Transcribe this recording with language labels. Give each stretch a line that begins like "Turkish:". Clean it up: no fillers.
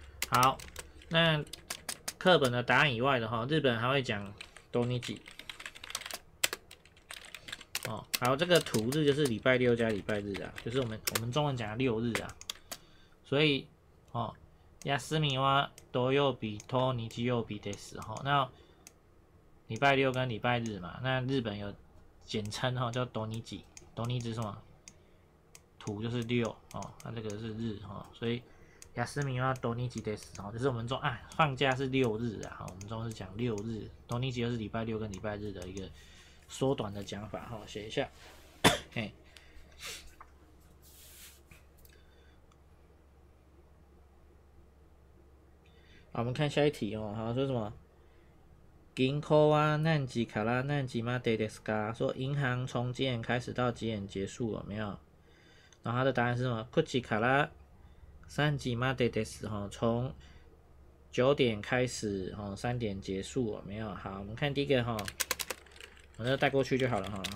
Chinese: 好，那课本的答案以外的日本还会讲都日，哦，好，这个土日就是礼拜六加礼拜日啊，就是我们中文讲的六日啊，所以哦。
Japanese: 休みは土曜日と日曜日です。
Chinese: 那礼拜六跟礼拜日嘛，那日本有简称哈，叫土日。土日是什么？土就是六哦，那这个是日哈，所以休みは土日です。哦，就是我们中啊，放假是六日啊，我们中是讲六日。土日就是礼拜六跟礼拜日的一个缩短的讲法哈，写一下，哎。好，我们看下一题哦。好，说什么？
Japanese: 銀行は何時から何時までですか？
Chinese: 说银行从几点开始到几点结束了没有？然后它的答案是什么？ 9時から3時までです。哈，从9点开始，哈，3点结束了没有？好，我们看第一个哈，我这带过去就好了哈。